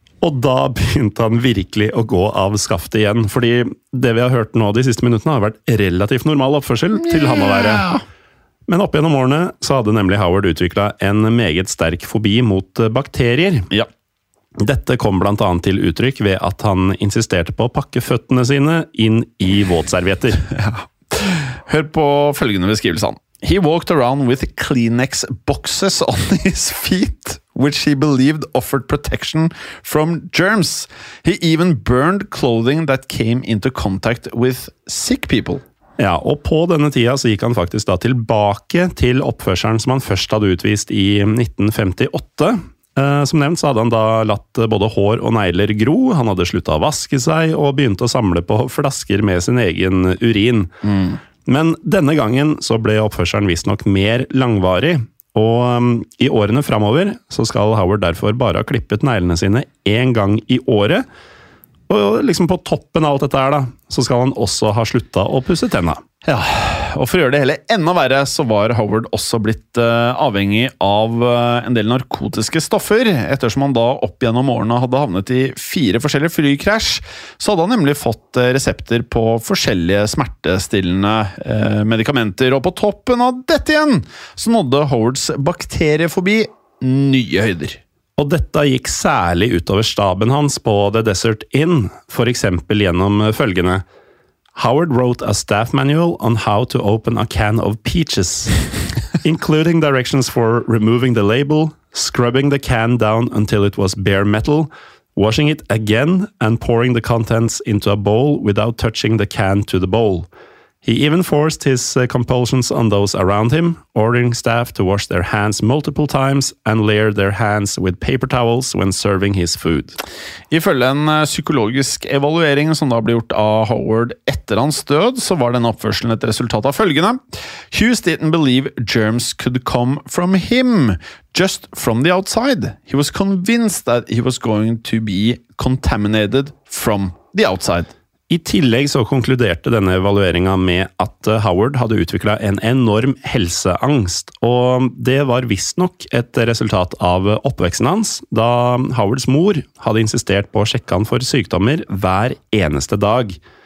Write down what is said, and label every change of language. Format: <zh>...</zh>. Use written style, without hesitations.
<no>Og da begynte han virkelig å gå av skaftet igjen, fordi det vi har hørt nå de siste minuttene har vært relativt normal oppførsel til han å være. Men opp gjennom årene så hadde nemlig Howard utviklet en meget sterk fobi mot bakterier. Ja. Dette kom blant annet til uttrykk ved at han insisterte på å pakke føttene sine inn I våtservietter. Ja. Hør på følgende beskrivelsen.</no> <en>He walked around with Kleenex boxes on his feet, which he believed offered protection from germs. He even burned clothing that came into contact with sick people.</en> <no>Ja, og på denne tida så gikk han faktisk da tilbake til oppførselen som han først hadde utvist I 1958. Som nevnt så hadde han da latt både hår og negler gro, han hadde sluttet å vaske seg og begynt å samle på flasker med sin egen urin. Mm. Men denne gangen så ble oppførselen visst nok mer langvarig, og I årene fremover så skal Howard derfor bare ha klippet neglene sine en gang I året, og liksom på toppen av alt dette her da, så skal han også ha sluttet å pusse tennene. Ja, og for å gjøre det hele enda verre, så var Howard også blitt avhengig av en del narkotiske stoffer. Ettersom han da opp gjennom årene hadde havnet I 4 forskjellige flykrasj, så hadde han nemlig fått resepter på forskjellige smertestillende medikamenter. Og på toppen av dette igjen, så nådde Howards bakteriefobi nye høyder. Og dette gikk særlig utover staben hans på The Desert Inn, for eksempel gjennom følgende.</no> <en>Howard wrote a staff manual on how to open a can of peaches, including directions for removing the label, scrubbing the can down until it was bare metal, washing it again, and pouring the contents into a bowl without touching the can to the bowl. He even forced his compulsions on those around him, ordering staff to wash their hands multiple times and layer their hands with paper towels when serving his food.</en> <no>Ifølge en psykologisk evaluering som da ble gjort av Howard etter hans død, så var den oppførselen et resultat av følgende.</no> <en>Hughes didn't believe germs could come from him, just from the outside. He was convinced that he was going to be contaminated from the outside.</en> <no>I tillegg så konkluderte denne evalueringen med at Howard hadde utviklet en enorm helseangst, og det var visst nok et resultat av oppveksten hans, da Howards mor hadde insistert på å sjekke han for sykdommer hver eneste dag.</no>